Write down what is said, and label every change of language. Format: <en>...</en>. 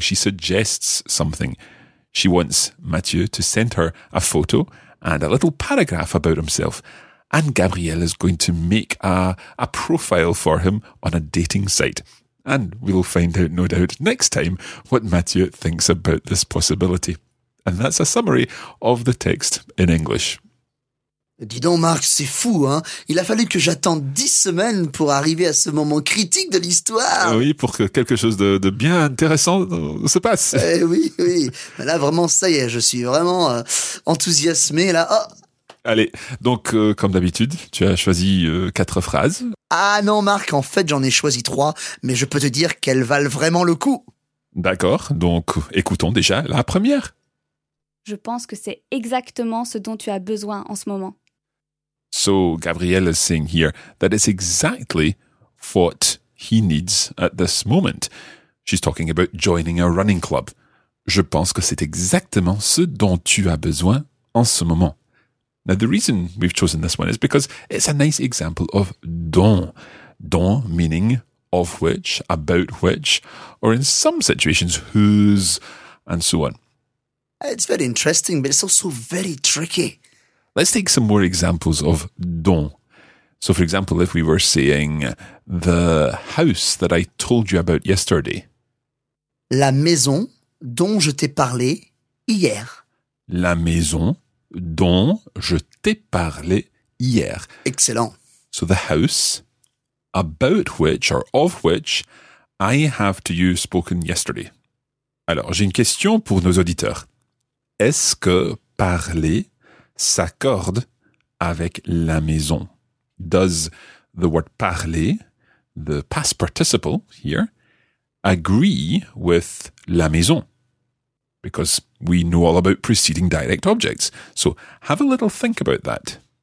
<en>She suggests something. She wants Mathieu to send her a photo and a little paragraph about himself. And Gabrielle is going to make a profile for him on a dating site. And we'll find out, no doubt, next time what Mathieu thinks about this possibility. And that's a summary of the text in English.</en> <fr>Dis donc, Marc, c'est fou, hein? Il a fallu que j'attende 10 semaines pour arriver à ce moment critique de l'histoire. Oui, pour que quelque chose de bien intéressant se passe. Oui. Là, vraiment, ça y est, je suis vraiment enthousiasmé, là. Oh. Allez, donc, comme d'habitude, tu as choisi 4 phrases. Ah non, Marc, en fait, j'en ai choisi 3, mais je peux te dire qu'elles valent vraiment le coup. D'accord, donc, écoutons déjà la première. Je pense que c'est exactement ce dont tu as besoin en ce moment.</fr> <en>So, Gabrielle is saying here that it's exactly what he needs at this moment. She's talking about joining a running club.</en> <fr>Je pense que c'est exactement ce dont tu as besoin en ce moment.</fr> <en>Now, the reason we've chosen this one is because it's a nice example of dont. Dont meaning of which, about which, or in some situations, whose, and so on. It's very interesting, but it's also very tricky. Let's take some more examples of dont. So, for example, if we were saying the house that I told you about yesterday.</en> <fr>La maison dont je t'ai parlé hier. La maison dont je t'ai parlé hier.</fr> <en>Excellent. So, the house about which or of which I have to you spoken yesterday.</en> <fr>Alors, j'ai une question pour nos auditeurs. Est-ce que parler s'accorde avec la maison?</fr> <en>Does the word parler, the past participle here, agree with la maison? Because we know all about preceding direct objects. So have a little think about that.</en>